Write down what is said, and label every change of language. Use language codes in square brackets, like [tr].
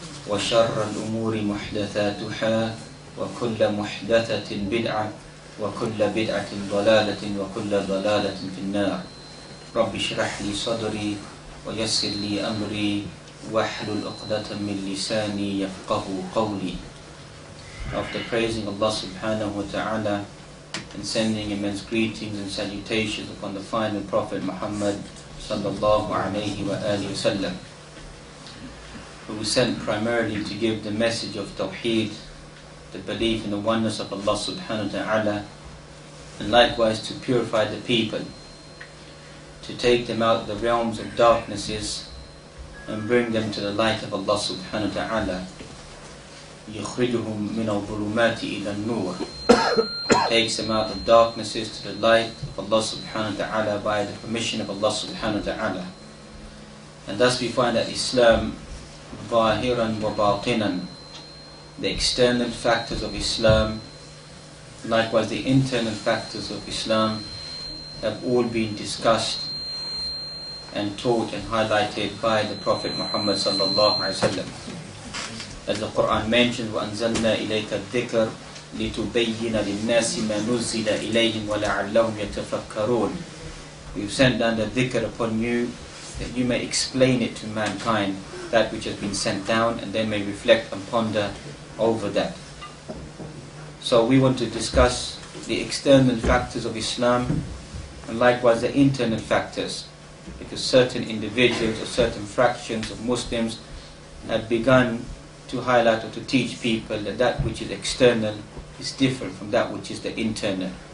[ar] وشر الأمور محدثاتها وكل محدثة بدعة وكل بدعة ضلالة وكل ضلالة في النار رب اشرح لي صدري ويسر لي أمري واحلل عقدة من لساني يفقه قولي. [en] After praising Allah subhanahu wa ta'ala and sending immense greetings and salutations upon the final Prophet Muhammad sallallahu alayhi wa alihi wasallam, who was sent primarily to give the message of Tawheed, the belief in the oneness of Allah subhanahu wa ta'ala, and likewise to purify the people, to take them out of the realms of darknesses and bring them to the light of Allah subhanahu wa ta'ala. [ar] يُخْرِجُهُمْ مِنَ الظُّلُمَاتِ إِلَى النُّورِ. [en] Takes them out of darknesses to the light of Allah subhanahu wa ta'ala by the permission of Allah subhanahu wa ta'ala. And thus we find that Islam, [ar] ظاهراً وباطناً, [en] the external factors of Islam, likewise the internal factors of Islam, have all been discussed and taught and highlighted by the Prophet Muhammad sallallahu alayhi wa sallam. As the Quran mentions, [ar] وَأَنزَلْنَا إِلَيْكَ الذِّكْرِ لِتُبَيِّنَ لِلنَّاسِ مَا نُزِّلَ إِلَيْهِمْ وَلَعَلَّهُمْ يَتَفَكَّرُونَ. [en] We've sent down the dhikr upon you that you may explain it to mankind, that which has been sent down, and they may reflect and ponder over that. So we want to discuss the external factors of Islam and likewise the internal factors, because certain individuals or certain fractions of Muslims have begun to highlight or to teach people that which is external is different from that which is the internal.